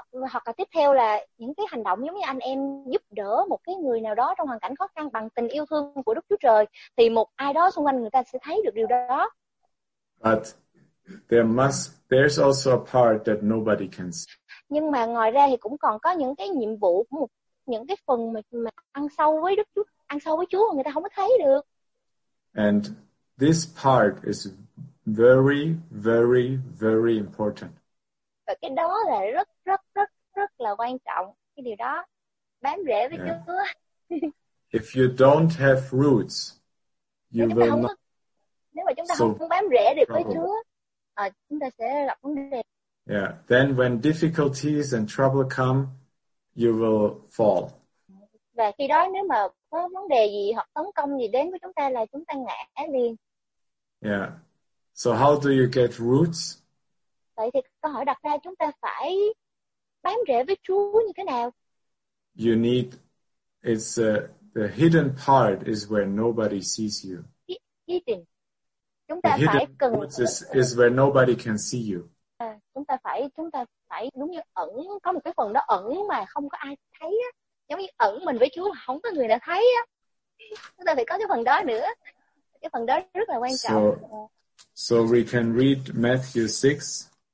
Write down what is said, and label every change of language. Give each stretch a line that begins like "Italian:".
Vietnamese: Hoặc là tiếp theo là những cái hành động giống như anh em giúp đỡ một cái người nào đó trong hoàn cảnh khó khăn bằng tình yêu thương của Đức Chúa Trời, thì một ai đó xung quanh người ta sẽ thấy được điều đó.
English: But there's also a part that nobody can see.
Vietnamese: Nhưng mà ngoài ra thì cũng còn có những cái nhiệm vụ, những cái phần mà ăn sâu với Đức Chúa, ăn sâu với Chúa mà người ta không có thấy được.
English: And this part is very, very, very important.
Vietnamese: Và cái đó là rất, rất, rất, rất là quan trọng. Cái điều đó bám rễ với yeah. Chúa.
English: If you don't have roots, you will not.
Vietnamese: Nếu mà chúng ta không bám rễ được với Chúa, chúng ta sẽ gặp vấn đề.
English: Yeah. Then when difficulties and trouble come, you will fall.
Vietnamese: Và khi đó nếu mà có vấn đề gì hoặc tấn công gì đến với chúng ta là chúng ta ngã liền.
English: Yeah. So how do you get roots?
Vietnamese: Vậy thì câu hỏi đặt ra chúng ta phải bám rễ với Chúa như thế nào?
English: You need, it's the hidden part is where nobody sees you. Hidden.
Vietnamese: Chúng ta
English: the hidden
Vietnamese: phải cần
English: roots is where nobody can see you.
Vietnamese: Chúng ta phải đúng như ẩn, có một cái phần đó ẩn mà không có ai thấy á. Giống như ẩn mình với Chúa, không có người nào thấy á. Chúng ta phải có cái phần đó nữa. Cái phần đó rất là quan trọng.
English: So we can read Matthew 6.